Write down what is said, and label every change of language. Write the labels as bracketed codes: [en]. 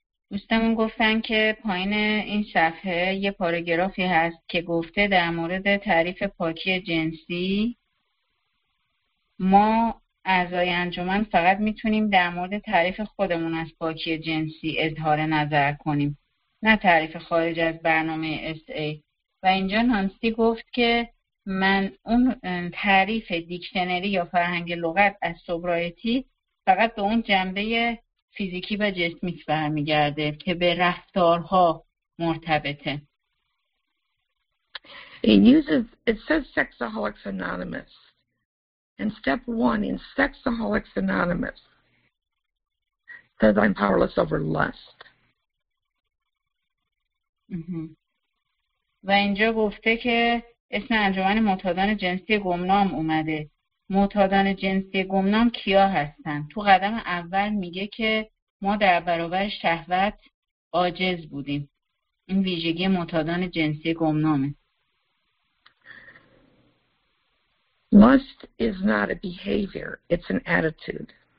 [fa] دوستمون گفتن که پایین این صفحه یه پاراگرافی هست که گفته در مورد تعریف پاکی جنسی ما اعضای انجمن فقط میتونیم در مورد تعریف خودمون از پاکی جنسی اظهار نظر کنیم نه تعریف خارج از برنامه SA و اینجا نانسی گفت که من اون تعریف دیکشنری یا فرهنگ لغت از سوبرایتی فقط به اون جنبه فیزیکی و جسمی برمیگرده که به رفتارها مرتبطه. [en] It says Sexaholics Anonymous. And step one in Sexaholics Anonymous says I'm powerless over lust. [fa] و اینجا گفته که اسم انجمن معتادان جنسی گمنام اومده. معتادان جنسی گمنام کیا هستن؟ تو قدم اول میگه که ما در برابر شهوت عاجز بودیم. این ویژگی معتادان جنسی گمنامه. [en] Lust is not a behavior, it's an attitude.